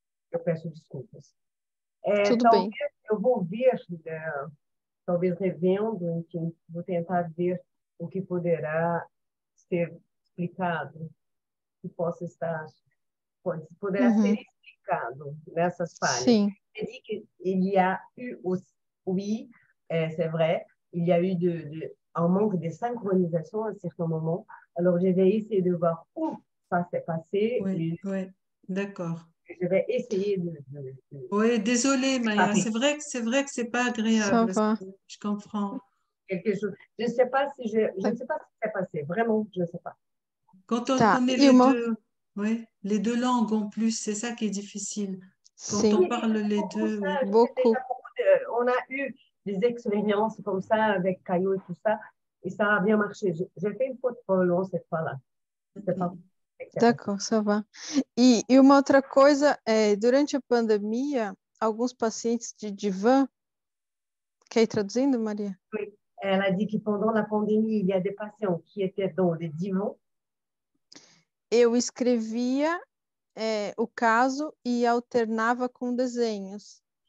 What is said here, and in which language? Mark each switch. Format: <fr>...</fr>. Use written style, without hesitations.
<pt>Eu peço desculpas. Tudo bem. Eu vou ver, talvez revendo, enfim, vou tentar ver o que poderá ser explicado, que possa estar, poderá ser explicado nessas falhas. Sim.</pt> <fr>Elle dit qu'il y a eu aussi, oui, c'est vrai, il y a eu un manque de synchronisation à certains moments. Alors, je vais essayer de voir où ça s'est passé. Oui, d'accord. Je vais essayer de... Oui, désolée, Maya, c'est vrai que ce n'est pas agréable. Je comprends. Quelque chose. Je ne sais pas si ce qui s'est passé, vraiment, je ne sais pas. Quand on connaît les deux langues en plus, c'est ça qui est difficile. Quand on parle les deux, beaucoup. On a eu des expériences comme ça avec Caillou et tout ça, et ça a bien marché. J'ai fait une faute pendant cette fois-là. D'accord, ça va. Et une autre chose, durant la pandémie,</fr> <pt>alguns</pt> <fr>patients de divan.</fr> <pt>Quer ir traduzindo, Maria?</pt> <fr>Oui, elle a dit que pendant la pandémie, il y a des patients qui étaient dans les divans.</fr> <pt>Eu escrevia. O caso e alternava com desenhos.</pt>